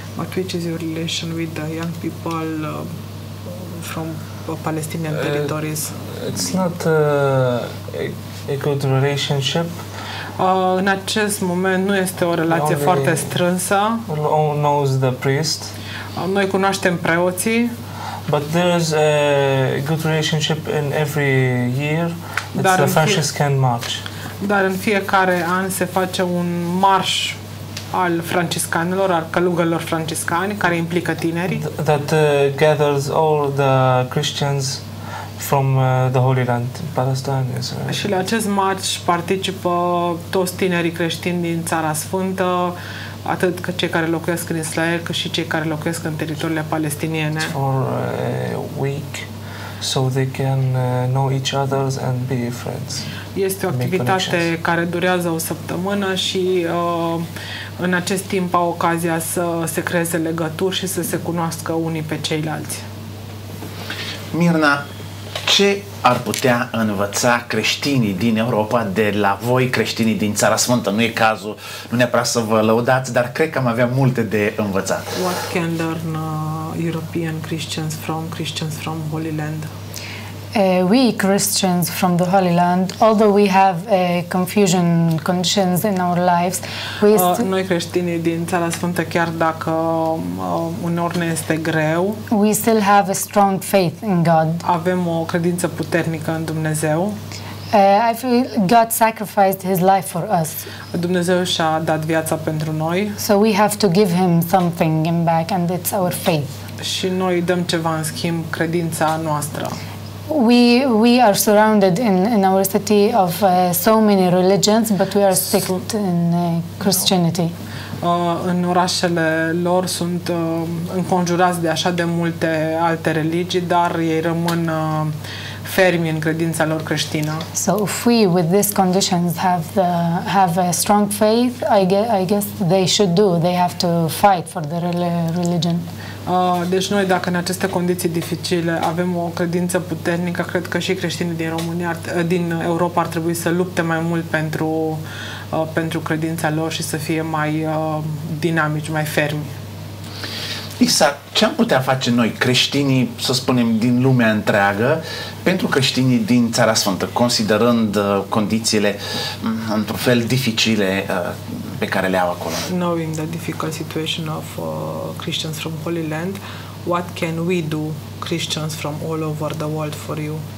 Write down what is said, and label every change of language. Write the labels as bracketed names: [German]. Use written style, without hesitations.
[English] But which is your relation with the young people from Palestinian territories? It's not a good relationship. [Romanian] În acest moment nu este o relație [English] only [Romanian] foarte strânsă. [English] Knows the priest. [Romanian] Noi cunoaștem preoții. [English] But there is a good relationship in every year. It's the Franciscan March. [Romanian] Dar în fiecare an se face un marș al franciscanilor, al călugărilor franciscani care implică tinerii. [English] That gathers all the Christians from the Holy Land, Palestine, Israel. [Romanian] Și la acest marș participă toți tinerii creștini din Țara Sfântă, atât că cei care locuiesc în Israel, cât și cei care locuiesc în teritoriile palestiniene. [English] For a week, so they can know each other and be friends. [Romanian] Este o activitate care durează o săptămână și în acest timp au ocazia să se creeze legături și să se cunoască unii pe ceilalți. Mirna, ce ar putea învăța creștinii din Europa de la voi, creștinii din Țara Sfântă? Nu e cazul, nu neapărat să vă lăudați, dar cred că am avea multe de învățat. [English] What can learn European Christians from Holy Land? We Christians from the Holy Land, although we have a confusion conditions in our lives, [Romanian] noi creștinii din Țara Sfântă, chiar dacă uneori ne este greu, [English] we still have a strong faith in God. [Romanian] Avem o credință puternică în Dumnezeu. [English] I feel God sacrificed his life for us. [Romanian] Dumnezeu și-a dat viața pentru noi. [English] So we have to give him something in back and it's our faith. [Romanian] Și noi dăm ceva în schimb, credința noastră. [English] We are surrounded in our city of so many religions, but we are strict in Christianity. [Romanian] în orașele lor sunt înconjurați de așa de multe alte religii, dar ei rămân fermi în credința lor creștină. [English] So if we with these conditions have a strong faith, I guess they should do. They have to fight for the religion. [Romanian] Deci noi dacă în aceste condiții dificile avem o credință puternică, cred că și creștinii din România din Europa ar trebui să lupte mai mult pentru credința lor și să fie mai dinamici, mai fermi. Isa, ce am putea face noi, creștinii, să spunem, din lumea întreagă, pentru creștinii din Țara Sfântă, considerând condițiile într-un fel dificile pe care le au acolo? [English] Knowing the difficult situation of Christians from Holy Land, what can we do, Christians from all over the world, for you?